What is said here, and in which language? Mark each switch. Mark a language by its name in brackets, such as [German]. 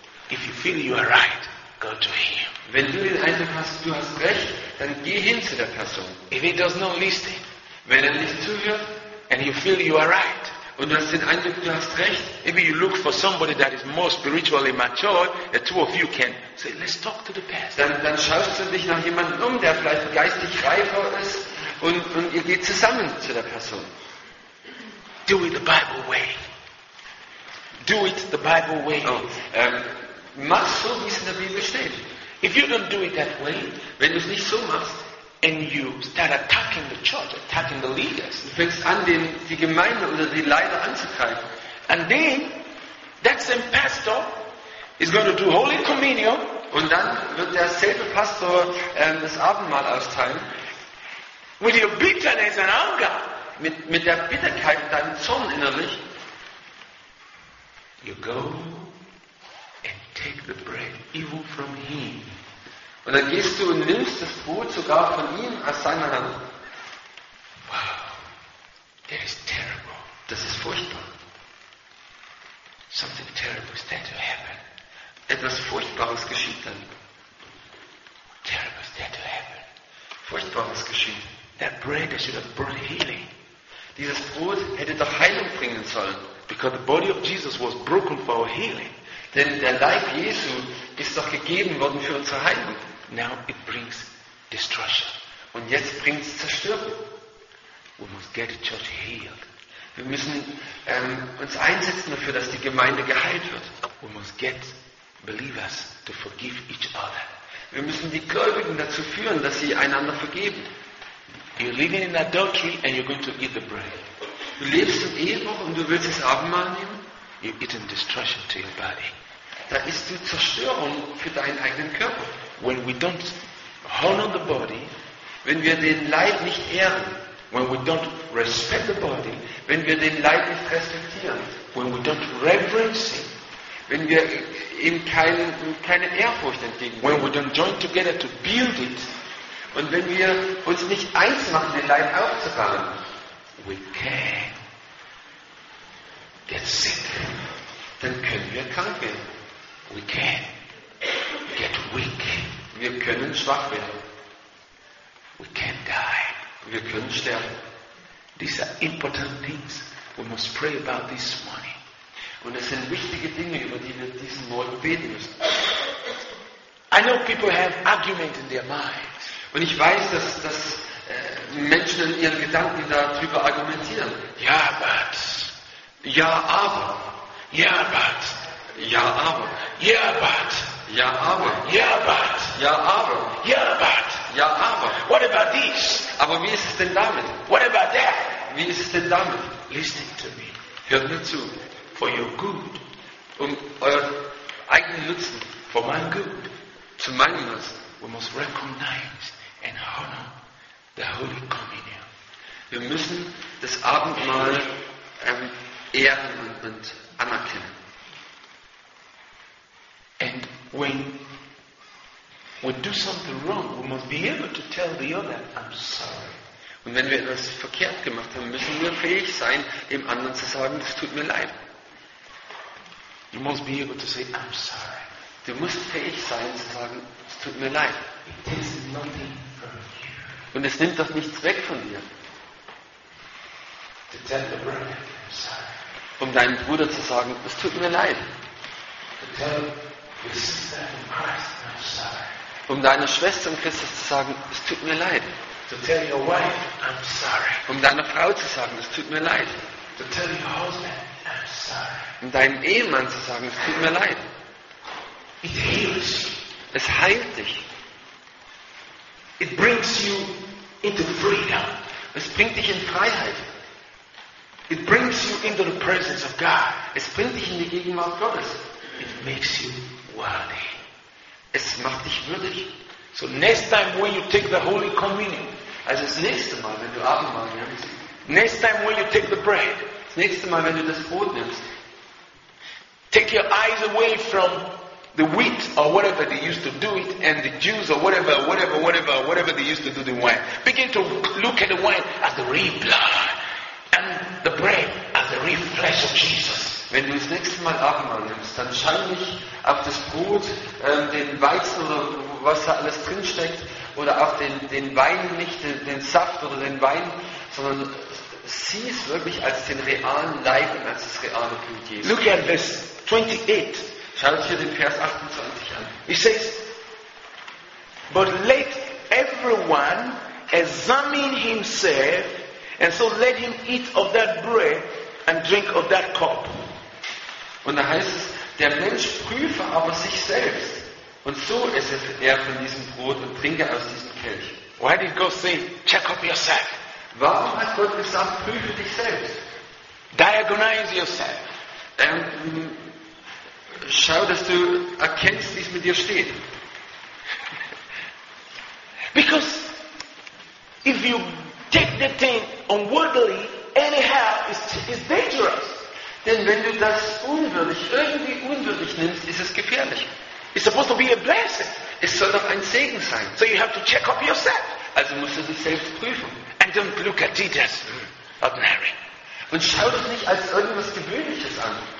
[English] If you feel you are right, go to him. [German] Wenn du den Eindruck hast, du hast recht, dann geh hin zu der Person. [English] If he does not listen, [German] wenn er nicht zuhört, [English] and you feel you are right. [German] Und du hast den Eindruck, du hast recht. [English] Maybe you look for somebody that is more spiritually mature. The two of you can say, let's talk to the pastor. [German] Dann schaust du dich nach jemandem um, der vielleicht geistig reifer ist, und ihr geht zusammen zu der Person. [English] Do it the Bible way. Do it the Bible way. [German] Mach so, wie es in der Bibel steht. [English] If you don't do it that way, [German] wenn du es nicht so machst, [English] and you start attacking the church, attacking the leaders. [German] Du fängst an, die Gemeinde oder die Leiter anzugreifen. [English] And then, that same pastor is going to do Holy Communion. [German] Und dann wird derselbe Pastor das Abendmahl austeilen. [English] With your bitterness and anger. [German] Mit der Bitterkeit und deinem Zorn innerlich. [English] You go and take the bread even from him. [German] Und dann gehst du und nimmst das Brot sogar von ihm aus seiner Hand. [English] Wow, that is terrible. [German] Das ist furchtbar. [English] Something terrible is there to happen. [German] Etwas Furchtbares geschieht dann. [English] Terrible is there to happen. [German] Furchtbares geschieht. [English] That bread that should have brought healing. [German] Dieses Brot hätte doch Heilung bringen sollen. [English] Because the body of Jesus was broken for our healing. [German] Denn der Leib Jesu ist doch gegeben worden für unsere Heilung. [English] Now it brings destruction. [German] Und jetzt bringt es Zerstörung. [English] We must get the church healed. [German] Wir müssen uns einsetzen dafür, dass die Gemeinde geheilt wird. [English] We must get believers to forgive each other. [German] Wir müssen die Gläubigen dazu führen, dass sie einander vergeben. [English] You're living in adultery and you're going to eat the bread. [German] Du lebst im Ehebruch und du willst das Abendmahl nehmen. [English] You're eating destruction to your body. [German] Da ist die Zerstörung für deinen eigenen Körper. [English] When we don't honor the body, [German] wenn wir den Leib nicht ehren, [English] when we don't respect the body, [German] wenn wir den Leib nicht respektieren, [English] when we don't reverence him, [German] wenn wir ihm keine Ehrfurcht entgegenbringen, [English] when we don't join together to build it, [German] und wenn wir uns nicht eins machen, den Leib aufzubauen, [English] we can get sick. [German] Dann können wir krank werden. [English] We can get weak. [German] Wir können schwach werden. [English] We can die. [German] Wir können sterben. [English] These are important things. We must pray about this morning. [German] Und es sind wichtige Dinge, über die wir diesen Morgen beten müssen. [English] I know people have argument in their minds. [German] Und ich weiß, dass Menschen in ihren Gedanken darüber argumentieren. [English] Ja, but. [German] Ja, aber. [English] Ja, but. [German] Ja, aber. [English] Ja, but. [German] Ja, aber. [English] Ja, but. [German] Ja, aber. [English] Ja, but. [German] Ja, aber. [English] What about this? [German] Aber wie ist es denn damit? [English] What about that? [German] Wie ist es denn damit? [English] Listen to me. [German] Hört mir zu. [English] For your good. [German] Um euren eigenen Nutzen. [English] For my good. [German] Zu meinem Nutzen. [English] We must recognize and honor the Holy Communion. [German] Wir müssen das Abendmahl ehren und anerkennen. [English] And when we do something wrong, we must be able to tell the other, I'm sorry. [German] Und wenn wir etwas verkehrt gemacht haben, müssen wir fähig sein, dem anderen zu sagen, das tut mir leid. [English] You must be able to say, I'm sorry. [German] Du musst fähig sein, zu sagen, es tut mir leid. [English] It takes nothing from you. [German] Und es nimmt doch nichts weg von dir. [English] To tell the brother, I'm sorry. [German] Um deinem Bruder zu sagen, es tut mir leid. [English] To tell your sister in Christ, I'm sorry. [German] Um deiner Schwester in Christus zu sagen, es tut mir leid. [English] To tell your wife, I'm sorry. [German] Um deiner Frau zu sagen, es tut mir leid. [English] To tell your husband, I'm sorry. [German] Um deinem Ehemann zu sagen, es tut mir leid. [English] It heals. [German] Es heilt dich. [English] It brings you into freedom. [German] Es bringt dich in Freiheit. [English] It brings you into the presence of God. [German] Es bringt dich in die Gegenwart Gottes. [English] It makes you worthy. [German] Es macht dich würdig. [English] So next time when you take the Holy Communion, [German] also das nächste Mal, wenn du Abendmahl nimmst, [English] next time when you take the bread, [German] das nächste Mal, wenn du das Brot nimmst, [English] take your eyes away from the wheat or whatever they used to do it, and the juice or whatever they used to do the wine. Begin to look at the wine as the real blood and the bread as the real flesh of Jesus. [German] Wenn du das nächste Mal Abendmahl nimmst, dann schau nicht auf das Brot, den Weizen oder was da alles drin steckt, oder auf den Wein nicht, den Saft oder den Wein, sondern sieh es wirklich als den realen Leib und als das reale Blut Jesu. [English] Look at this, 28. [German] Schau dir den Vers 28 an. [English] He says, but let everyone examine himself, and so let him eat of that bread and drink of that cup. [German] Und da heißt es, der Mensch prüfe aber sich selbst, und so esse er von diesem Brot und trinke aus diesem Kelch. [English] Why did God say, check up yourself? [German] Warum hat Gott gesagt, prüfe dich selbst? [English] Diagnose yourself. [German] Schau, dass du erkennst, wie es mit dir steht. [English] Because if you take the thing unworthily, anyhow, it's dangerous. [German] Denn wenn du das irgendwie unwürdig nimmst, ist es gefährlich. [English] It's supposed to be a blessing. [German] Es soll doch ein Segen sein. [English] So you have to check up yourself. [German] Also musst du dich selbst prüfen. [English] And don't look at it as ordinary. [German] Und schau das nicht als irgendwas Gewöhnliches an.